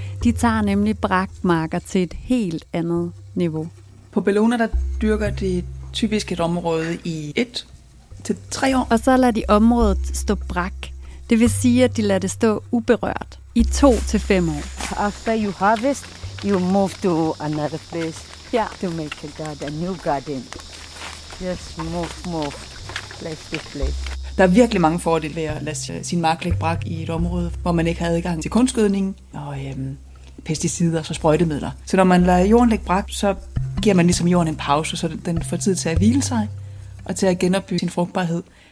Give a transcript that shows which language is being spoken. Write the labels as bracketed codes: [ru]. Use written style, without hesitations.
[da] De tager nemlig brakmarker til et helt andet niveau. På Bellona, der dyrker de typisk et område i 1-3 år. Og så lader de området stå brak. Det vil sige, at de lader det stå uberørt i 2-5 år. [en] After you harvest, you move to another place, yeah, to make a garden, new garden. Just move, place to place. [da] Der er virkelig mange fordele ved at lade sin mark lægge brak i et område, hvor man ikke havde adgang til kunstgødning og pesticider og sprøjtemidler. Så når man lader jorden lægge brak, så giver man ligesom jorden en pause, så den får tid til at hvile sig og til at genopbygge sin frugtbarhed.